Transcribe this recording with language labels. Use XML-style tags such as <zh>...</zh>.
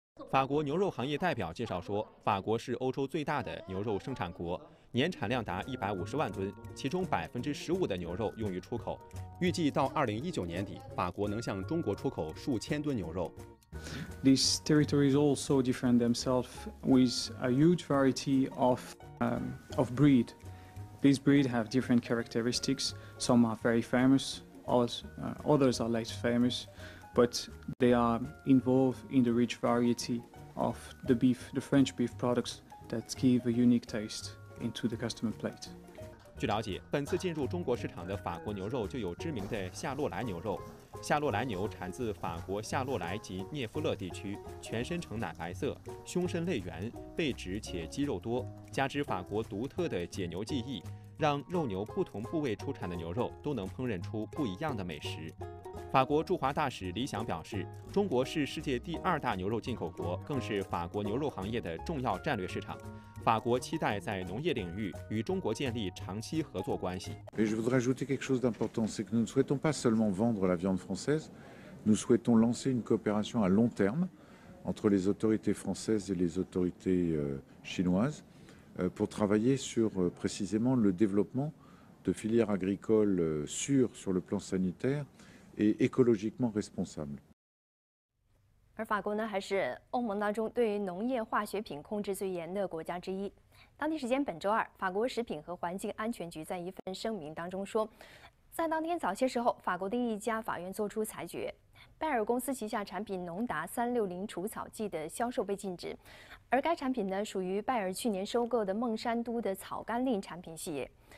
<zh>法国牛肉行业代表介绍说，法国是欧洲最大的牛肉生产国，年产量达150万吨，其中15%的牛肉用于出口。预计到2019年底，法国能向中国出口数千吨牛肉。</zh> <en>These territories also defend themselves with a huge variety of breed. These breed have different characteristics. Some are very famous, others are less famous, but they are involved in the rich variety of the beef, the French beef products that give a unique taste into the customer plate.</en> <zh>据了解，本次进入中国市场的法国牛肉就有知名的夏洛莱牛肉。夏洛莱牛产自法国夏洛莱及涅夫勒地区，全身呈奶白色，胸身类圆，背直且肌肉多。加之法国独特的解牛技艺，让肉牛不同部位出产的牛肉都能烹饪出不一样的美食。法国驻华大使李翔表示，中国是世界第二大牛肉进口国，更是法国牛肉行业的重要战略市场。法国期待在农业领域与中国建立长期合作关系。</zh> <fr>Et je voudrais ajouter quelque chose d'important, c'est que nous ne souhaitons pas seulement vendre la viande française, nous souhaitons lancer une coopération à long terme entre les autorités françaises et les autorités chinoises pour travailler sur précisément le développement de filières agricoles sûres sur le plan sanitaire et écologiquement responsables.</fr> <zh>而法国呢，还是欧盟当中对于农业化学品控制最严的国家之一。当地时间本周二，法国食品和环境安全局在一份声明当中说，在当天早些时候，法国的一家法院作出裁决，拜耳公司旗下产品农达360除草剂的销售被禁止，而该产品呢，属于拜耳去年收购的孟山都的草甘膦产品系列。</zh>